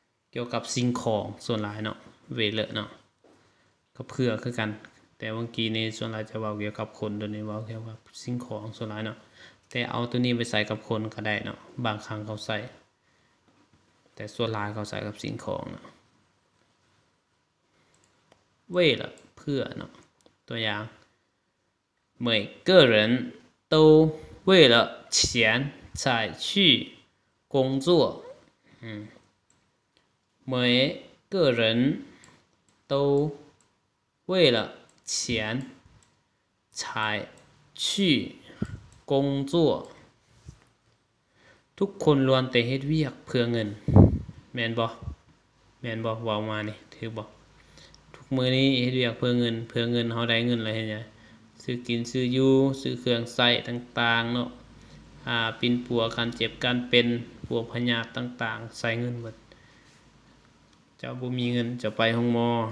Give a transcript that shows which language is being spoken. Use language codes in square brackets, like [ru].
[th] เกี่ยวกับสิ่งของส่วนหลายเนาะเวเลเนาะก็เพื่อคือกันแต่เมื่อกี้นี้ส่วนหลายจะว่าเกี่ยวกับคนตัวนี้ว่าเกี่ยวกับสิ่งของส่วนหลายเนาะแต่เอาตัวนี้ไปใส่กับคนก็ได้เนาะบางครั้งเขาใส่แต่ส่วนหลายเขาใส่กับสิ่งของเนาะเวละเพื่อเนาะตัวอย่าง [zh] 每个人都为了钱才去工作。每个人都为了钱才去工作。 [th] ทุกคนล้วนแต่เฮ็ดเวียกเพื่อเงินแม่นบ่แม่นบ่ว่ามานี่ถือบ่ทุกมื้อนี้เฮ็ดเวียกเพื่อเงินเพื่อเงินเฮาได้เงินแล้วเห็นไหมซื้อกินซื้ออยู่ซื้อเครื่องใช้ต่างๆเนาะปินปัวกันเจ็บกันเป็นปัวพยาธิต่างๆใช้เงินหมดเจ้าบ่มีเงินจะไปห้องหมอ